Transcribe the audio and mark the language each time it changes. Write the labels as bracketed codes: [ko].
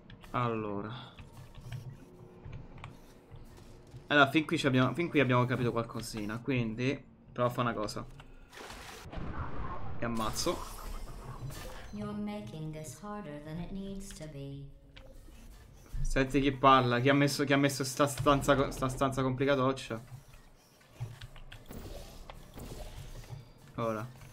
[it] Allora. Allora, fin qui abbiamo capito qualcosina, quindi provo a fare una cosa. E ammazzo. [en] You're making this harder than it needs to be. [it] Senti chi parla, chi ha messo sta stanza complicatoccia. Ora.